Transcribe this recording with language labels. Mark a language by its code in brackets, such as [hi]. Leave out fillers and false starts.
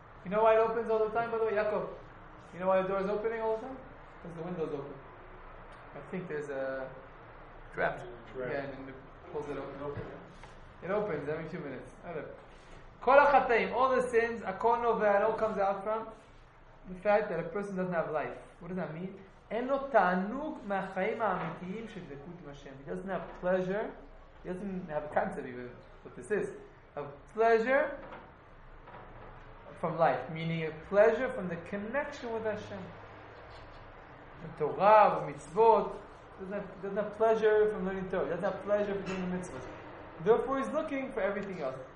[en] You know why it opens all the time, by the way? Yaakov, you know why the door is opening all the time? Because the window's open. I think there's a draft. Yeah, and it pulls it open. It opens every 2 minutes. [he] כל החטאים, [en] all the sins, [he] הכל נובע, [en] it all comes out from the fact that a person doesn't have life. What does that mean? [he] אין לו תענוג מהחיים האמיתיים של דבקות עם השם. [en] He doesn't have pleasure. He doesn't have a concept even what this is. A pleasure from life. Meaning a pleasure from the connection with Hashem. Torah, mitzvot. Doesn't have pleasure from learning Torah. Doesn't have pleasure from doing the mitzvot. Therefore, he's looking for everything else.